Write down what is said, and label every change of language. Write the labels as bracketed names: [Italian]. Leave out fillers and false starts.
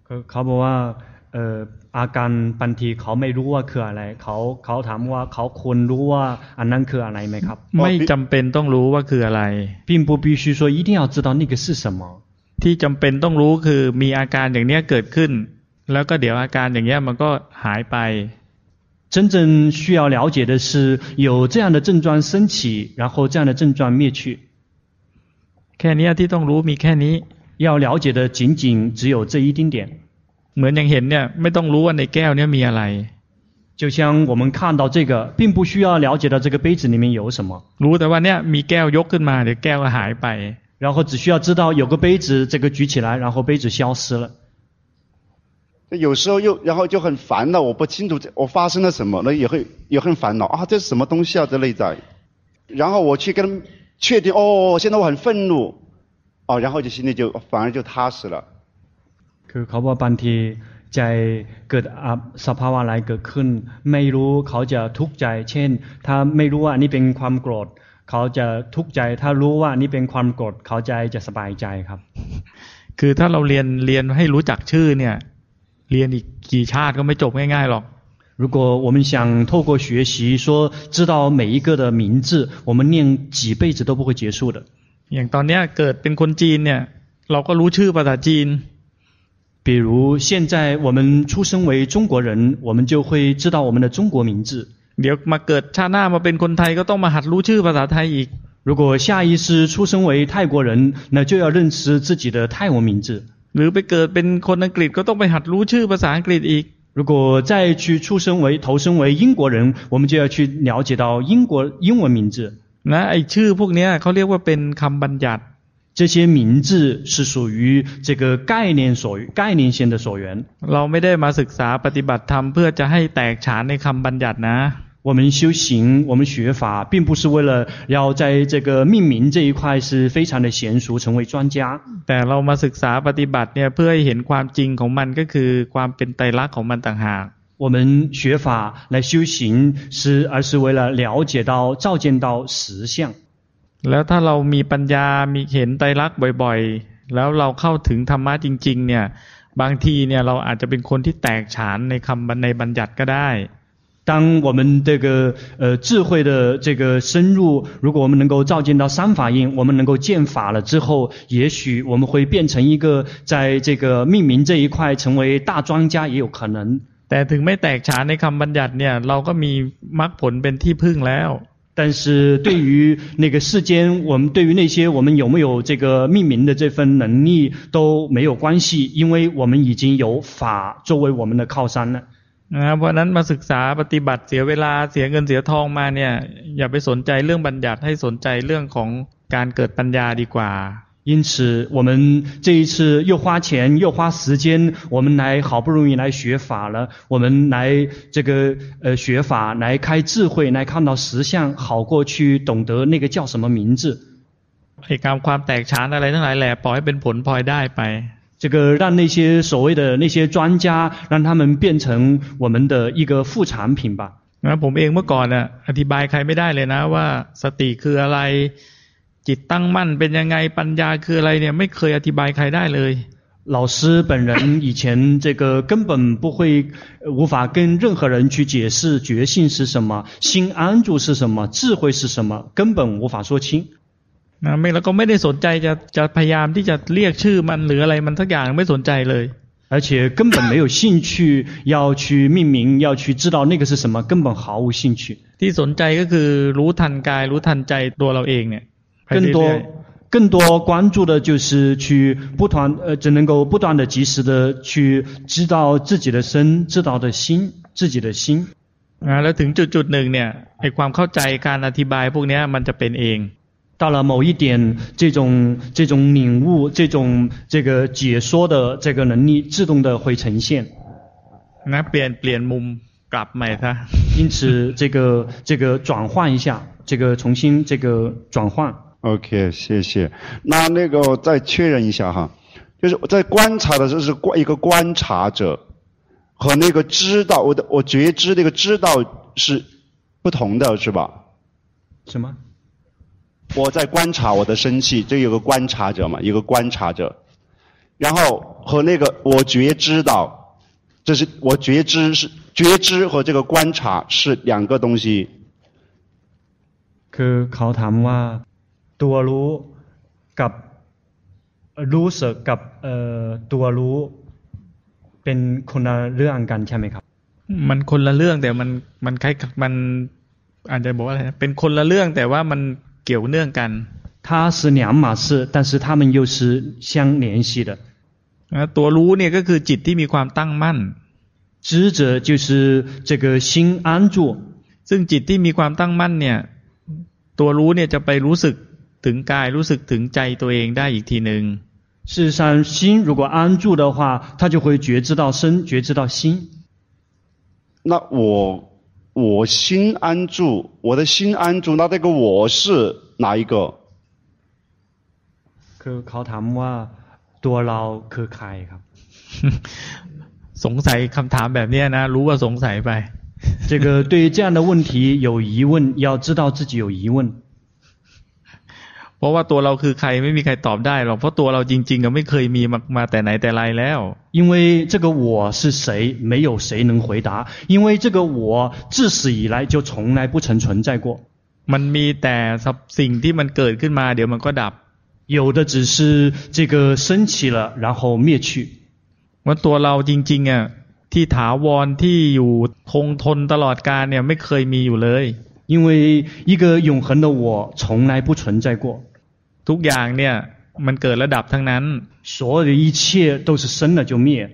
[Thai] เขาบอกว่าอาการบางทีเขาไม่รู้ว่าคืออะไรเขาถามว่าเขาควรรู้ว่าอันนั้นคืออะไรไหมครับ ไม่จำเป็นต้องรู้ว่าคืออะไร [Chinese] 并不必须说一定要知道那个是什么 [Thai] ที่จำเป็นต้องรู้คือมีอาการอย่างนี้เกิดขึ้นแล้วก็เดี๋ยวอาการอย่างนี้มันก็หายไป [Chinese] 真正需要了解的是有这样的症状升起然后这样的症状灭去 [Thai] แค่นี้ที่ต้องรู้มีแค่นี้ [Chinese] 要了解的仅仅只有这一丁点 [Thai] เหมือนอย่างเห็นเนี่ยไม่ต้องรู้ว่าในแก้วเนี่ยมีอะไร [Chinese] 就像我们看到这个并不需要了解到这个杯子里面有什么 [Thai] รู้แต่ว่าเนี่ยมีแก้วยกขึ้นมาเดี๋ยวแก้วก็หายไป [Chinese] 然后只需要知道有个杯子这个举起来然后杯子消失了有时候又然后就很烦了我不清楚我发生了什么那也很烦恼啊这是什么东西啊这内在然后我去跟他们确定哦现在我很愤怒哦然后就心里就反而就踏实了 [Thai] คือเขาบอกบางทีใจเกิดสภาวะอะไรเกิดขึ้นไม่รู้เขาจะทุกข์ใจเช่นถ้าไม่รู้ว่านี่เป็นความโกรธเขาจะทุกข์ใจถ้ารู้ว่านี่เป็นความโกรธเขาใจจะสบายใจครับ คือถ้าเราเรียนให้รู้จักชื่อเนี่ยเรียนอีกกี่ชาติก็ไม่จบง่ายๆหรอก [Chinese] 如果我们想透过学习说知道每一个的名字我们念几辈子都不会结束的 [Thai] อย่างตอนนี้เกิดเป็นคนจีนเนี่ยเราก็รู้ชื่อภาษาจีน [Chinese] 比如现在我们出生为中国人我们就会知道我们的中国名字 [Thai] เดี๋ยวมาเกิดชาติหน้ามาเป็นคนไทยก็ต้องมาหัดรู้ชื่อภาษาไทยอีก [Chinese] 如果下一世出生为泰国人那就要认识自己的泰文名字 [Thai] หรือไปเกิดเป็นคนอังกฤษก็ต้องไปหัดรู้ชื่อภาษาอังกฤษอีก [Chinese] 如果再去投生为英国人我们就要去了解到英文名字 [Thai] นะไอ้ชื่อพวกนี้เขาเรียกว่าเป็นคำบัญญัติ [Chinese] 这些名字是属于这个概念性的所缘 [Thai] เราไม่ได้มาศึกษาปฏิบัติธรรมเพื่อจะให้แตกฉานในคำบัญญัตินะ [Chinese] 我们修行我们学法并不是为了要在这个命名这一块是非常的娴熟成为专家 [Thai] แต่เรามาศึกษาปฏิบัติเนี่ยเพื่อให้เห็นความจริงของมันก็คือความเป็นไตรลักษณ์ของมันต่างหาก [Chinese] 我们学法来修行而是为了了解到照见到实相 [Thai] แล้วถ้าเรามีปัญญามีเห็นไตรลักษณ์บ่อยๆแล้วเราเข้าถึงธรรมะจริงๆเนี่ยบางทีเนี่ยเราอาจจะเป็นคนที่แตกฉานในคำในบัญญัติก็ได้ [Chinese] 当我们这个智慧的这个深入如果我们能够照见到三法印我们能够见法了之后也许我们会变成一个在这个命名这一块成为大专家也有可能 [Thai] แต่ถึงไม่แตกฉานในคำบัญญัติเนี่ยเราก็มีมรรคผลเป็นที่พึ่งแล้ว แต่ [Chinese] 对于那个世间我们对于那些我们有没有这个命名的这份能力都没有关系因为我们已经有法作为我们的靠山了 [Thai] เพราะนั้นมาศึกษาปฏิบัติเสียเวลาเสียเงินเสียทองมาเนี่ยอย่าไปสนใจเรื่องบัญญัติให้สนใจเรื่องของการเกิดปัญญาดีกว่า [Chinese] 因此我们这一次又花钱又花时间我们来好不容易来学法了我们来这个学法来开智慧来看到实相好过去懂得那个叫什么名字 [Thai] ไอ้ความแตกฉานอะไรทั้งหลายแหละปล่อยให้เป็นผลพลอยได้ไป [Chinese] 这个让那些所谓的那些专家让他们变成我们的一个副产品吧 [Thai] นะผมเองเมื่อก่อนอ่ะอธิบายใครไม่ได้เลยนะว่าสติคืออะไรจิตตั้งมั่นเป็นยังไงปัญญาคืออะไรเนี่ยไม่เคยอธิบายใครได้เลย [Chinese] 老师本人以前这个根本不会无法跟任何人去解释觉性是什么心安住是什么智慧是什么根本无法说清那没了 [Thai] ก็ไม่ได้สนใจจะพยายามที่จะเรียกชื่อมันหรืออะไรมันสักอย่างไม่สนใจเลย [Chinese] 而且根本没有兴趣要去命名要去知道那个是什么根本毫无兴趣 [Thai] ที่สนใจก็คือรู้ทันกายรู้ทันใจตัวเราเองเนี่ย [Chinese] 更多关注的就是去不断只能够不断的及时的去知道自己的身知道的心自己的心 [Thai] แล้วถึงจุดหนึ่งเนี่ยไอ้ความเข้าใจการอธิบายพวกเนี้ยมันจะเป็นเอง [Chinese] 到了某一点这种领悟这个解说的这个能力自动的会呈现 [Thai] นะเปลี่ยนมุมกลับใหม่ซะ [Chinese] 因此这个转换一下这个重新这个转换 OK, 谢谢。那个再确认一下哈。就是在观察的时候是一个观察者和那个知道我觉知那个知道是不同的是吧什么我在观察我的生气这有个观察者嘛一个观察者。然后和那个我觉知道这是我觉知是觉知和这个观察是两个东西。可考他们啊 [Thai] ตัวรู้กับรู้สึกกับตัวรู้เป็นคนละเรื่องกันใช่ไหมครับ มันคนละเรื่องแต่มันคล้ายมันอาจจะบอกว่าอะไรเป็นคนละเรื่องแต่ว่ามันเกี่ยวเนื่องกัน [Chinese] 它是两码事但是它们又是相联系的 [Thai] ตัวรู้เนี่ยก็คือจิตที่มีความตั้งมั่น [Chinese] 知者就是这个心安住 [Thai] ซึ่งจิตที่มีความตั้งมั่นเนี่ยตัวรู้เนี่ยจะไปรู้สึกถึงกายรู้สึกถึงใจตัวเองได้อีกทีหนึ่ง [Chinese] 事实上心如果安住的话它就会觉知到身觉知到心那我心安住我的心安住那这个我是哪一个 [Thai] คือเขาถามว่าตัวเราคือใครครับ สงสัยคำถามแบบนี้นะรู้ว่าสงสัยไป [Chinese] 这个对于这样的问题有疑问要知道自己有疑问 [Thai] เพราะว่าตัวเราคือใครไม่มีใครตอบได้หรอกเพราะตัวเราจริงๆก็ไม่เคยมีมาแต่ไหนแต่ไรแล้ว [Chinese] 因为这个我是谁没有谁能回答因为这个我自始以来就从来不曾存在过 [Thai] มันมีแต่สิ่งที่มันเกิดขึ้นมาเดี๋ยวมันก็ดับ [Chinese] 有的只是这个升起了然后灭去 [Thai] ว่าตัวเราจริงๆอ่ะที่ถาวรที่อยู่คงทนตลอดกาลเนี่ยไม่เคยมีอยู่เลย [Chinese] 因为一个永恒的我从来不存在过 [Thai] ทุกอย่างเนี่ยมันเกิดและดับทั้งนั้น [Chinese] 所有的一切都是生了就灭